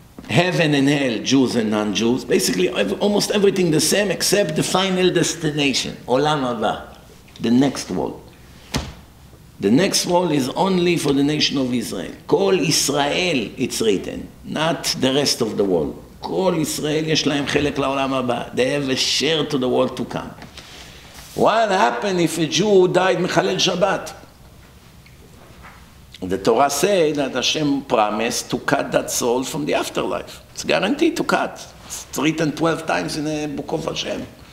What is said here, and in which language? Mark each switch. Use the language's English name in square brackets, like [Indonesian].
[English] Heaven and hell, Jews and non-Jews. Basically, almost everything the same except the final destination, Olam haBa, the next world. The next world is only for the nation of Israel. Kol Israel, it's written, not the rest of the world. [Hebrew] Kol Israel, יש להם חלק לעולם הבא. [English] They have a share to the world to come. What happened if a Jew died [Hebrew] מחלל שבת? [English] The Torah said that Hashem promised to cut that soul from the afterlife. It's guaranteed to cut. It's written 12 times in the book of Hashem.